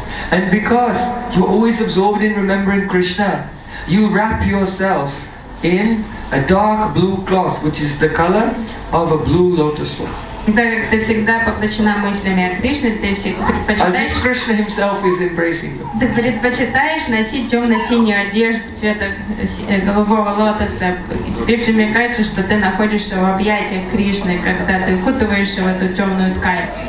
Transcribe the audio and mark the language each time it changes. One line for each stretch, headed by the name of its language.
English: And because you're always absorbed in remembering Krishna, you wrap yourself in a dark blue cloth, which is the color of a blue lotus flower.
Russian: Так как ты всегда поглощена мыслями о Кришне, ты предпочитаешь.
English: As if Krishna himself is embracing you.
Russian: Ты предпочитаешь носить темно-синюю одежду цвета голубого лотоса, и тебе все мне кажется, что ты находишься в объятиях Кришны, когда ты укутываешься в эту темную ткань.